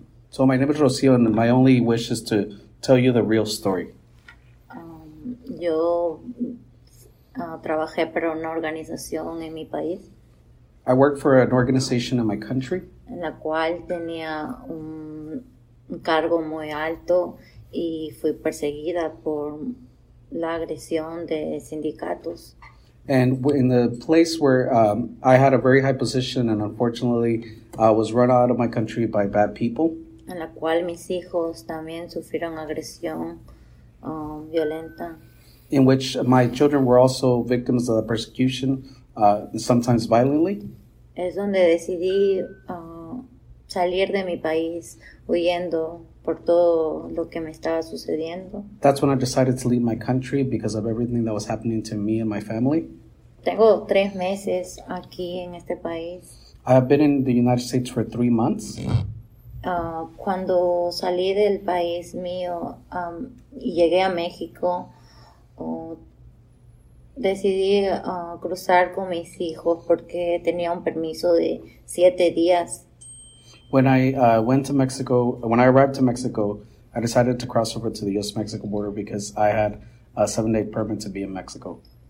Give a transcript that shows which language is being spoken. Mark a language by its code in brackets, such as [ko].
[en] So my name is Rocío, and my only wish is to tell you the real story. [es] Yo trabajé para una organización en mi país. [en] I worked for an organization in my country. [es] En la cual tenía un cargo muy alto y fui perseguida por la agresión de sindicatos. [en] And in the place where I had a very high position, and unfortunately I was run out of my country by bad people. [es] En la cual mis hijos también sufrieron agresión violenta. [en] In which my children were also victims of the persecution, sometimes violently. [es] Es donde decidí salir de mi país huyendo por todo lo que me estaba sucediendo. [en] That's when I decided to leave my country because of everything that was happening to me and my family. [es] Tengo 3 meses aquí en este país. [en] I have been in the United States for 3 months. [es] Cuando salí del país mío y llegué a México, decidí cruzar con mis hijos porque tenía un permiso de 7 días. [en] When I went to Mexico, when I arrived to Mexico, I decided to cross over to the U.S.-Mexico border because I had a 7-day permit to be in Mexico.